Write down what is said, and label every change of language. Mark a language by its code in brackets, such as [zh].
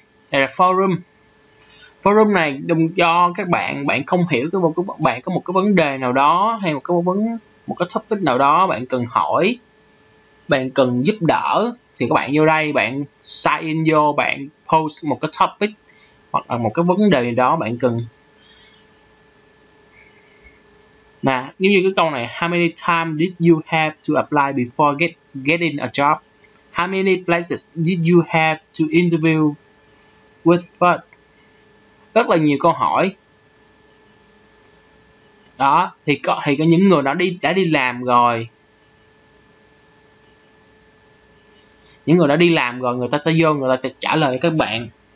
[vi] Đây là forum. Forum này dùng cho các bạn, bạn không hiểu cái bạn có một cái vấn đề nào đó hay một cái topic nào đó bạn cần hỏi, bạn cần giúp đỡ thì các bạn vô đây, bạn sign in vô, bạn post một cái topic hoặc là một cái vấn đề đó bạn cần. Nè, giống như cái câu này, [en] how many times did you have to apply before getting a job? How many places did you have to interview with first? [vi] Rất là nhiều câu hỏi. Đó, thì có những người đã đi làm rồi. Những người đã đi làm rồi, người ta sẽ vô, người ta sẽ trả lời các bạn.